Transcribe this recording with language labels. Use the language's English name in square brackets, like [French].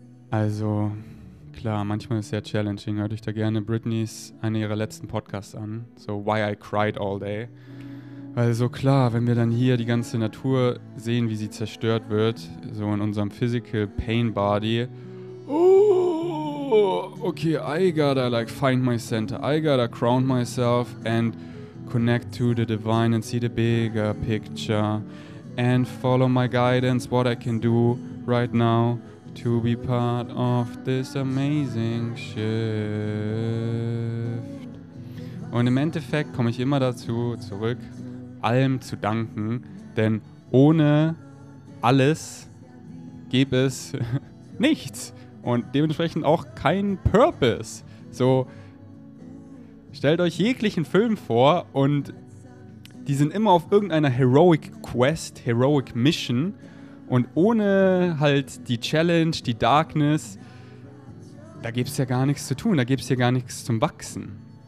[German] Also, klar, manchmal ist es sehr challenging. Hört euch da gerne Britneys, eine ihrer letzten Podcasts an. So, Why I Cried All Day. Weil so klar, wenn wir dann hier die ganze Natur sehen, wie sie zerstört wird, so in unserem Physical Pain Body. [English] Oh, okay, I gotta like find my center. I gotta ground myself and connect to the divine and see the bigger picture. And follow my guidance, what I can do right now to be part of this amazing shift. [German] Und im Endeffekt komme ich immer dazu zurück, allem zu danken, denn ohne alles gäbe es nichts und dementsprechend auch keinen Purpose. So, stellt euch jeglichen Film vor und die sind immer auf irgendeiner Heroic Quest, Heroic Mission und ohne halt die Challenge, die Darkness, da gäbe es ja gar nichts zu tun, da gäbe es ja gar nichts zum Wachsen.